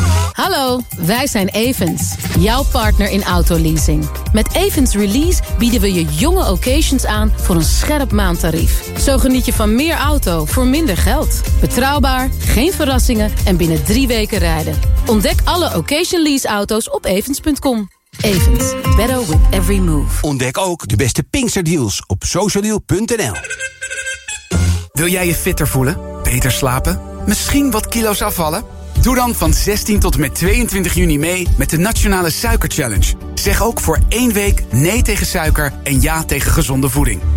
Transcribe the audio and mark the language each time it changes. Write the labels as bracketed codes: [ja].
[nl] Hallo, wij zijn Evens, jouw partner in autoleasing. Met Evens Release bieden we je jonge occasions aan voor een scherp maandtarief. Zo geniet je van meer auto voor minder geld. Betrouwbaar, geen verrassingen en binnen 3 weken rijden. Ontdek alle occasion lease auto's op evens.com. [en] Evens, better with every move. [nl] Ontdek ook de beste Pinksterdeals op socialdeal.nl. Wil jij je fitter voelen? Beter slapen? Misschien wat kilo's afvallen? Doe dan van 16 tot en met 22 juni mee met de Nationale Suiker Challenge. Zeg ook voor 1 week nee tegen suiker en ja tegen gezonde voeding.